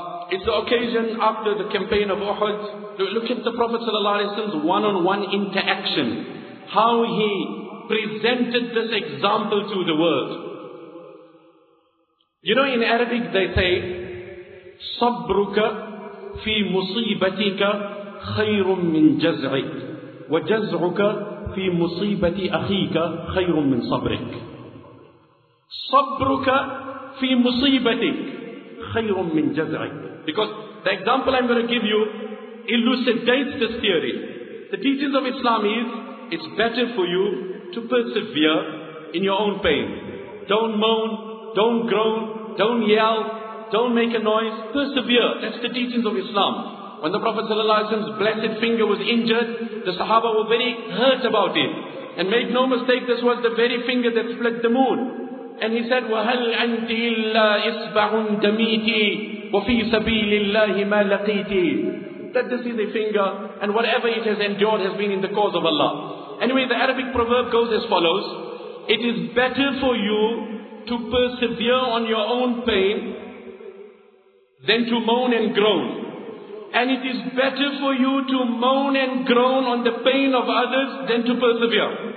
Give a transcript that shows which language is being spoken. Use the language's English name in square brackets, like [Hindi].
[English] It's the occasion after the campaign of Uhud. Look at the Prophet sallallahu alaihi wasallam's one-on-one interaction. How he presented this example to the world. You know, in Arabic they say, [Arabic] صَبْرُكَ فِي مُصِيبَتِكَ خَيْرٌ مِّن جَزْعِكَ وَجَزْعُكَ فِي مُصِيبَةِ أَخِيكَ خَيْرٌ مِّن صَبْرِكَ. صَبْرُكَ فِي مُصِيبَتِكَ خَيْرٌ مِّن جَزْعِكَ. [English] Because the example I'm going to give you elucidates this theory. The teachings of Islam is, it's better for you to persevere in your own pain. Don't moan, don't groan, don't yell, don't make a noise. Persevere. That's the teachings of Islam. When the Prophet ﷺ's blessed finger was injured, the Sahaba were very hurt about it. And make no mistake, this was the very finger that split the moon. And he said, [Arabic] وَهَلْ أَنْتِ إِلَّا إِصْبَعٌ دَمِيتِ وَفِي سَبِيلِ اللَّهِ مَا لَقِيتِ. [English] That this is a finger, and whatever it has endured has been in the cause of Allah. Anyway, the Arabic proverb goes as follows. It is better for you to persevere on your own pain than to moan and groan. And it is better for you to moan and groan on the pain of others than to persevere.